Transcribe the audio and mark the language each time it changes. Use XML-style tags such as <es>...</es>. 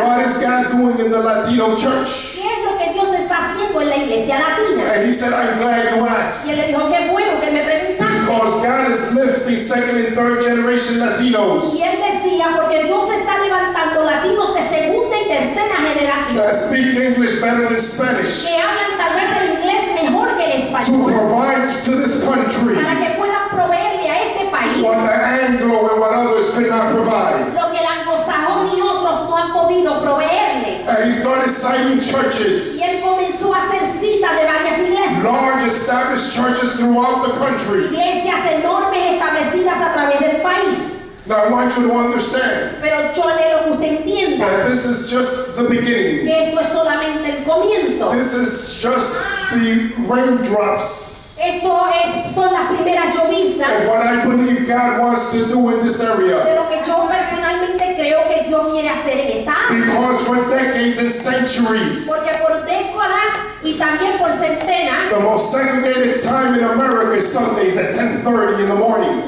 <en>What is God doing in the Latino church?</en> <es>¿Qué es lo que Dios está haciendo en la iglesia latina?</es> <en>And he said, I'm glad you asked.</en> <es>Y él le dijo, qué bueno que me preguntaste.</es> <en>Because God is lifting second and third generation Latinos.</en> <es>Y él decía, porque Dios está levantando latinos de segunda y tercera generación.</es> <en>That speak English better than Spanish.</en> <es>Que hablan tal vez el inglés mejor que el español.</es> <en>To provide to this country.</en> <es>Para que puedan proveerle a este país.</es> <en>What the Anglo and what others cannot provide.</en> <es>Lo que el anglosajón y otros no han podido proveerle.</es> <en>And he started citing churches.</en> <es>Y él comenzó a hacer cita de varias iglesias.</es> <en>Large established churches throughout the country.</en> <es>Iglesias enormes establecidas a través del país.</es> <en>Now I want you to understand.</en> <es>Pero yo quiero que usted entienda.</es> <en>That this is just the beginning.</en> <es>Que esto es solamente el comienzo.</es> <en>This is just the raindrops.</en> <es>Esto es, son las primeras lloviznas.</es> <en>Of what I believe God wants to do in this area.</en> <es>De lo que yo personalmente creo que Dios quiere hacer en esta.</es> <en>Because for decades and centuries.</en> <es>Porque por décadas y también por centenas.</es> <en>The most segregated time in America is Sundays at 10:30 in the morning.</en>